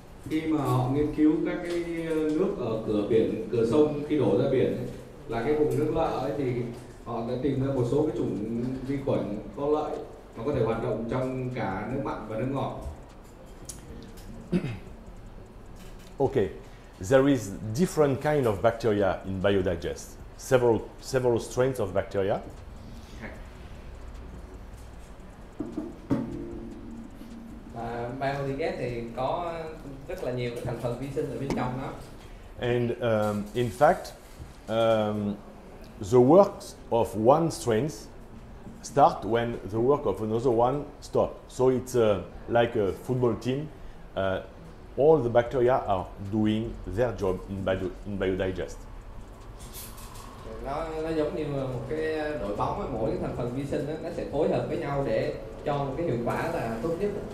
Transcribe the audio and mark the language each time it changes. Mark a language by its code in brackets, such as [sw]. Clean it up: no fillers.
[vi] Khi mà họ nghiên cứu các cái nước ở cửa biển, cửa sông khi đổ ra biển là cái vùng nước lợ ấy, thì họ đã tìm ra một số cái chủng vi khuẩn có lợi mà có thể hoạt động trong cả nước mặn và nước ngọt. [en] Okay, there is different kind of bacteria in biodigest. Several strains of bacteria. [vi] Biodigest thì có rất là nhiều cái thành phần vi sinh ở bên trong nó. [en] And in fact, the work of one strain start when the work of another one stop. So it's like a football team. All the bacteria are doing their job in biodigest. [vi] Nó giống như một cái đội bóng, mỗi cái thành phần vi sinh nó sẽ phối hợp với nhau để cho một cái hiệu quả là tốt nhất.